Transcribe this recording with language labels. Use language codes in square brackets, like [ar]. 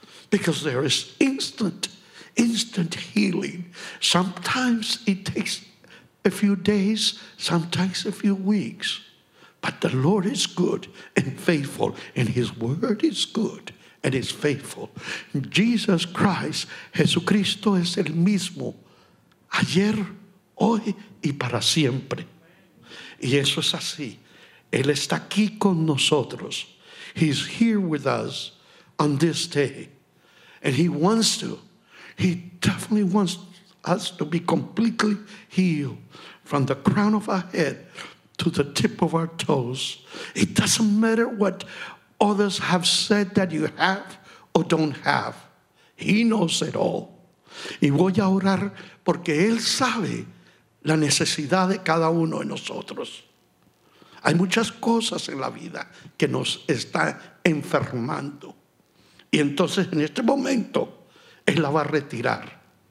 [en] Because there is instant healing. Sometimes it takes a few days, sometimes a few weeks. But the Lord is good and faithful, and His word is good and is faithful. [es] Jesus Christ, Jesucristo es el mismo, ayer, hoy y para siempre. Y eso es así. Él está aquí con nosotros. [en] He's here with us on this day. And He wants to. He definitely wants us to be completely healed from the crown of our head to the tip of our toes. It doesn't matter what others have said that you have or don't have. He knows it all. [es] Y voy a orar porque Él sabe la necesidad de cada uno de nosotros. Hay muchas cosas en la vida que nos están enfermando. Y entonces en este momento Él la va a retirar.